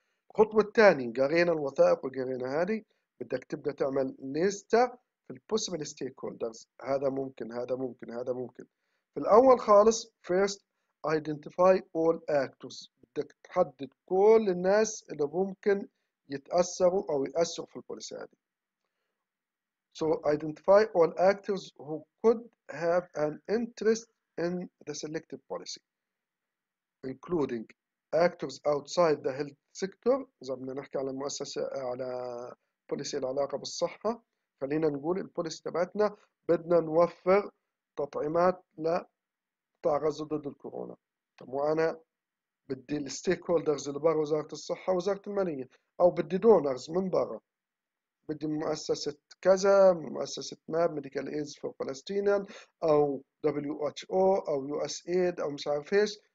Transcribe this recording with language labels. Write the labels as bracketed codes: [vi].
[ar] الخطوة الثانية، قرينا الوثائق وقرينا هذه، بدك تبدأ تعمل ليستة في الـ possible stakeholders، هذا ممكن هذا ممكن هذا ممكن. في الأول خالص [en] first identify all actors، [ar] بدك تحدد كل الناس اللي ممكن يتأثروا أو يأثروا في البوليسي هذه. [en] So identify all actors who could have an interest in the selected policy including actors outside the health sector. [ar] إذا بدنا نحكي على مؤسسة على بوليسي العلاقة بالصحة، خلينا نقول البوليسي تبعتنا بدنا نوفر تطعيمات لقطاع غزة ضد الكورونا. طب وأنا بدي الستيك هولدرز اللي برا وزارة الصحة وزارة المالية، أو بدي دونرز من برا، بدي مؤسسة كذا، مؤسسة ماب ميديكال ايدز فور فلسطين، أو WHO أو USAID أو مش عارف ايش.